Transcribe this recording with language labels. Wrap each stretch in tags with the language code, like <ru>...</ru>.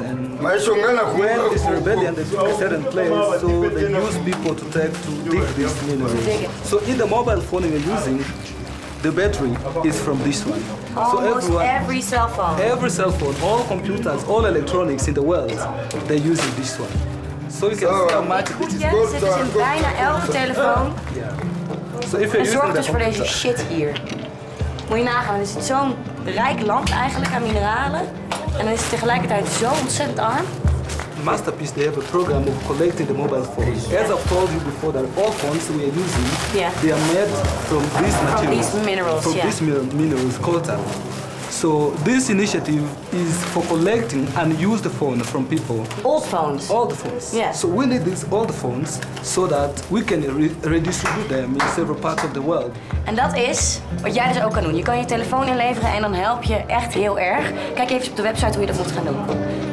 <en>And when this rebellion, they took a certain place, so they use people to take to dig this mineral. So in the mobile phone you're using, the battery is from this one. Almost so every cell phone. Every cell phone, all computers, all electronics in the world, they're using this one. So you can see how much this is gold. Yes, it is in</en> <nl>bijna elke telefoon.</nl> <en>So if you're</en> <nl>using dus voor deze shit hier. Moet je nagaan, het is zo'n rijk land eigenlijk aan mineralen. En dan is het tegelijkertijd zo ontzettend arm.</nl> <en>Masterpiece, they have a program of collecting the mobile phones. As I've told you before, that all phones we are using, they are made from these materials. From these minerals, These minerals, coltan. So this initiative is for collecting and use the phone from people. Old phones? Old phones. Yeah. So we need these old phones so that we can redistribute them in several parts of the world.</en> <nl>En dat is wat jij dus ook kan doen. Je kan je telefoon inleveren en dan help je echt heel erg. Kijk even op de website hoe je dat moet gaan doen.</nl>